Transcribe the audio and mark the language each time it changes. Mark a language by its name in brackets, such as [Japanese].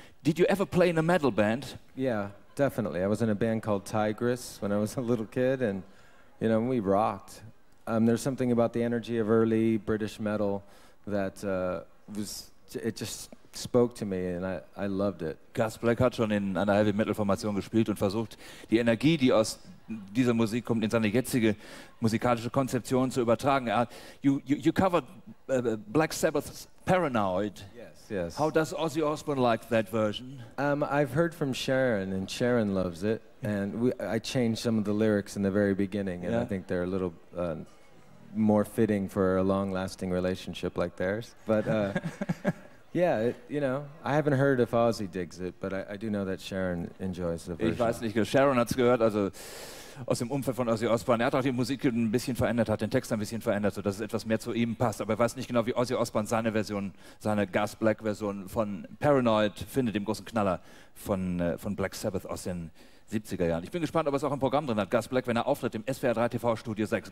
[English] Did you ever play in a metal band? Yeah, definitely. I was in a band called Tigris when I was a little kid and, you know, we rocked. There's something about the energy of early British metal that it just spoke to me and I loved it. [German] Gus Black hat schon in einer Heavy Metal Formation gespielt und versucht, die Energie, die aus dieser Musik kommt, in seine jetzige musikalische Konzeption zu übertragen. [English] You covered Black Sabbath's Paranoid. Yes, yes. How does Ozzy Osbourne like that version? I've heard from Sharon and Sharon loves it and I changed some of the lyrics in the very beginning and I think they're a little more fitting for a long-lasting relationship like theirs. But yeah, you know, I haven't heard if Ozzy digs it, but I do know that Sharon enjoys the version. [German] Ich weiß nicht, Sharon hat's gehört, also aus dem Umfeld von Ozzy Osbourne. Er hat auch die Musik ein bisschen verändert, hat den Text ein bisschen verändert, sodass es etwas mehr zu ihm passt. Aber er weiß nicht genau, wie Ozzy Osbourne seine Version, seine Gus Black-Version von Paranoid findet, dem großen Knaller von Black Sabbath aus den 70er Jahren. Ich bin gespannt, ob er es auch im Programm drin hat, Gus Black, wenn er auftritt im SWR 3 TV Studio 6.